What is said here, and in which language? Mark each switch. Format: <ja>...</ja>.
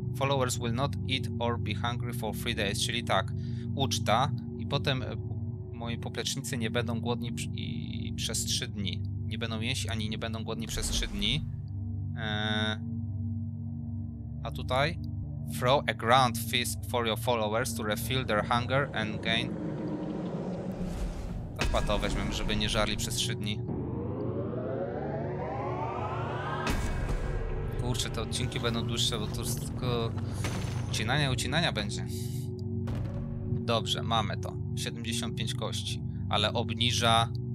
<en>Followers will not eat or be hungry for 3 days.</en> <pl>Czyli tak. Uczta. I potem moi poplecznicy nie będą głodni przez 3 dni. Nie będą jeść, ani nie będą głodni przez 3 dni. A tutaj?</pl> <en>Throw a grand feast for your followers to refill their hunger and gain...</en> <pl>Chyba to weźmiemy, żeby nie żarli przez 3 dni. Kurczę, te odcinki będą dłuższe, bo to tylko ucinania będzie. Dobrze, mamy to. 75 kości, ale obniża...</pl>